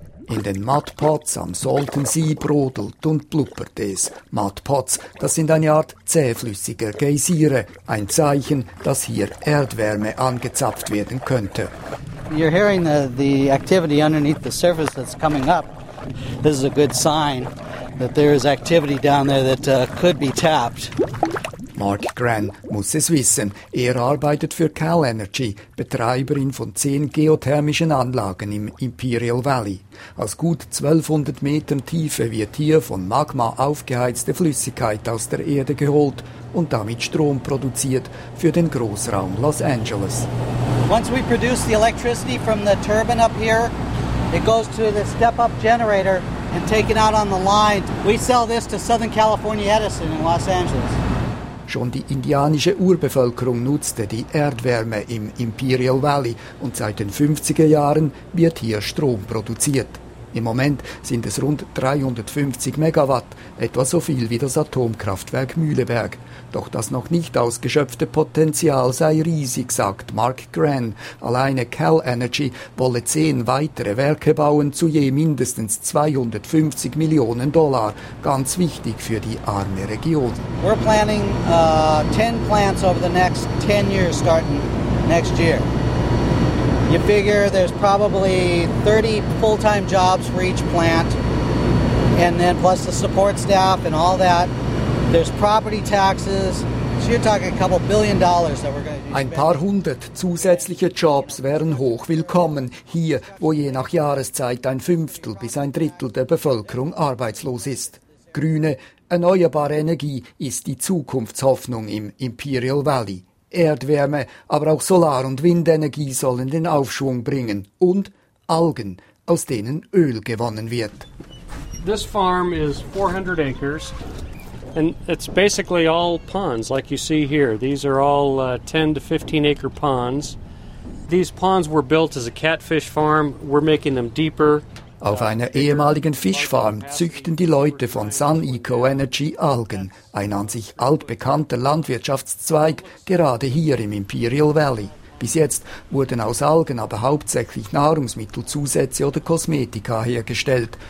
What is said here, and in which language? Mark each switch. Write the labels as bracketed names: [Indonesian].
[German] In den Mudpots am Salton Sea brodelt und blubbert es. Mudpots, das sind eine Art zähflüssiger Geysire, ein Zeichen, dass hier Erdwärme angezapft werden könnte. [English] You're hearing the activity underneath the surface that's coming up. This is a good sign that there is activity down there that could be tapped. [German] Mark Gran muss es wissen. Er arbeitet für Cal Energy, Betreiberin von 10 geothermischen Anlagen im Imperial Valley. Aus gut 1200 Metern Tiefe wird hier von Magma aufgeheizte Flüssigkeit aus der Erde geholt und damit Strom produziert für den Großraum Los Angeles. [English] Once we produce the electricity from the turbine up here, it goes to the step-up generator and taken out on the line. We sell this to Southern California Edison in Los Angeles. [German] Schon die indianische Urbevölkerung nutzte die Erdwärme im Imperial Valley und seit den 50er Jahren wird hier Strom produziert. Im Moment sind es rund 350 Megawatt, etwa so viel wie das Atomkraftwerk Mühleberg. Doch das noch nicht ausgeschöpfte Potenzial sei riesig, sagt Mark Gran. Alleine Cal Energy wolle 10 weitere Werke bauen zu je mindestens 250 Millionen Dollar. Ganz wichtig für die arme Region. [English] We're planning 10 plants over the next 10 years starting next year. You figure there's probably 30 full-time jobs for each plant, and then plus the support staff and all that. There's property taxes, [German] Ein paar hundert zusätzliche Jobs wären hoch willkommen, hier, wo je nach Jahreszeit ein Fünftel bis ein Drittel der Bevölkerung arbeitslos ist. Grüne, erneuerbare Energie ist die Zukunftshoffnung im Imperial Valley. Erdwärme, aber auch Solar- und Windenergie sollen den Aufschwung bringen. Und Algen, aus denen Öl gewonnen wird. [English] This farm is 400 acres. And it's basically all ponds, like you see here. These are all 10 to 15 acre ponds. These ponds were built as a catfish farm. We're making them deeper. [German] Auf einer ehemaligen Fischfarm züchten die Leute von Sun Eco Energy Algen, ein an sich altbekannter Landwirtschaftszweig, gerade hier im Imperial Valley. Bis jetzt wurden aus Algen aber hauptsächlich Nahrungsmittelzusätze oder Kosmetika hergestellt.